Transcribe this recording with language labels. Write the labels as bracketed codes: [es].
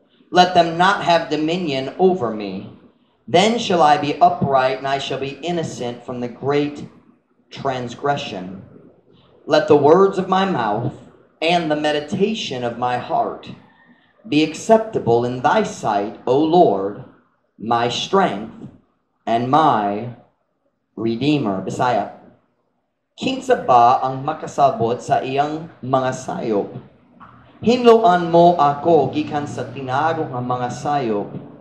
[en] Let them not have dominion over me. Then shall I be upright, and I shall be innocent from the great transgression. Let the words of my mouth and the meditation of my heart be acceptable in thy sight, O Lord, my strength and my redeemer. Messiah. [ceb] Kinsa ba ang makasabot sa iyang mga sayop? Hinloan mo ako gikan sa tinago ng mga sayop.